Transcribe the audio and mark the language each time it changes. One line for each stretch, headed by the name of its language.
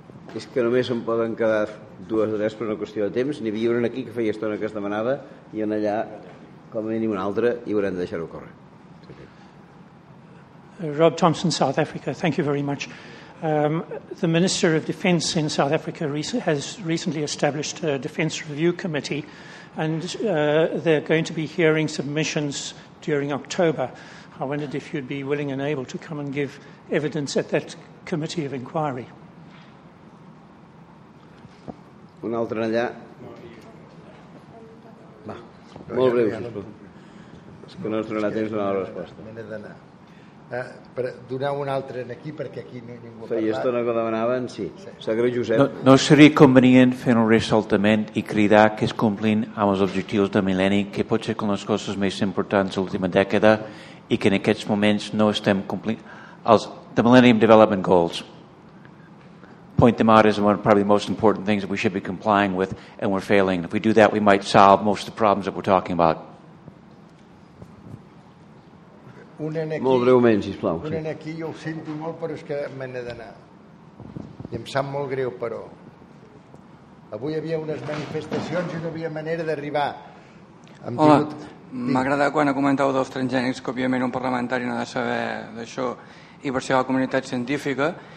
Catalan: És que només em poden quedar dues o tres per una qüestió de temps. N'hi havia una aquí que feia estona que es demanava i una allà, com a mínim una altra, i haurem de deixar-ho córrer.
English: Rob Thompson, South Africa. Thank you very much. The Minister of Defence in South Africa has recently established a Defence Review Committee, and they're going to be hearing submissions during October. I wondered if you'd be willing and able to come and give evidence at that committee of inquiry.
Catalan: Un altre allà. Va, molt breu. És que no es donarà temps d'una resposta. M'he d'anar. Per donar un altre aquí, perquè aquí ningú ha parlat. Feia estona que demanaven, sí. Sagrat Josep. No seria convenient fer un ressaltament i cridar que es complin amb els objectius de mil·lenni, que pot ser una de les coses més importants de l'última dècada i que en aquests moments no estem complint els de Millennium Development Goals.
English: Point them out as one of probably the most important things that we should be complying with, and we're failing. If we do that, we might solve most of the problems that we're talking about.
Catalan: Un en aquí. Molt breument, sisplau. Un en aquí, jo ho sento molt, però és que me n'he d'anar. I em sap molt greu, però. Avui hi havia unes manifestacions i no havia manera d'arribar. Hola, m'agrada quan ha comentat dels transgènics, que òbviament un parlamentari no ha de saber d'això, i per ser la comunitat científica.